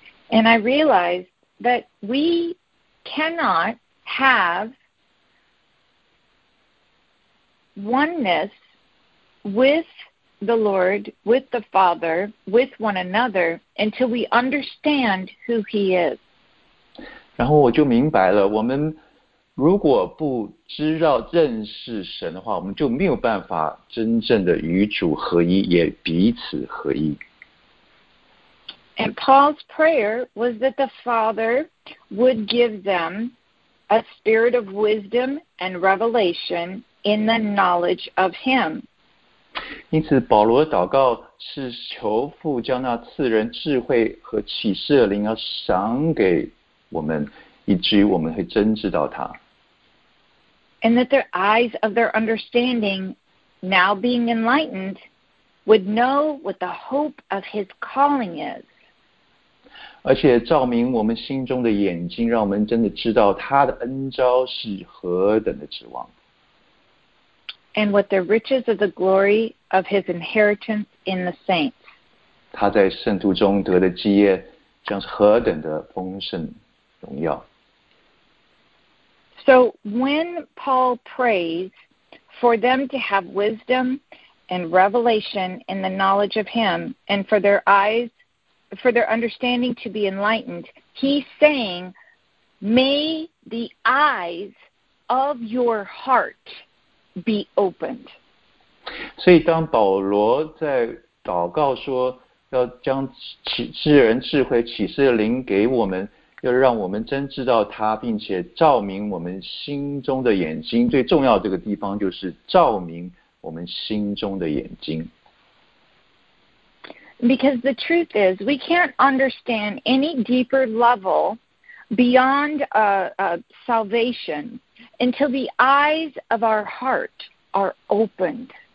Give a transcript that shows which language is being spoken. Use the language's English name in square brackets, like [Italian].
[English] And I realize that we cannot have oneness with the Lord, with the Father, with one another until we understand who He is. [Chinese] 然后我就明白了，我们如果不知道认识神的话，我们就没有办法真正的与主合一，也彼此合一。 [English] And Paul's prayer was that the Father would give them a spirit of wisdom and revelation in the knowledge of Him. [Chinese] 因此，保罗的祷告是求父将那赐人智慧和启示的灵要赏给我们，以至于我们会真知道他。 [English] And that their eyes of their understanding, now being enlightened, would know what the hope of his calling is. [Chinese] 而且照明我们心中的眼睛，让我们真的知道他的恩召是何等的指望。 [English] And what the riches of the glory of his inheritance in the saints. [Chinese] 他在圣徒中得的基业将是何等的丰盛荣耀。 [English] So when Paul prays for them to have wisdom and revelation in the knowledge of him and for their eyes, for their understanding to be enlightened, he's saying, may the eyes of your heart be opened. [Chinese] 所以当保罗在祷告说要将智人智慧启示的灵给我们， 要让我们真知道他，并且照明我们心中的眼睛。最重要的这个地方就是照明我们心中的眼睛。 [English] Because the truth is, we can't understand any deeper level beyond salvation until the eyes of our heart are opened.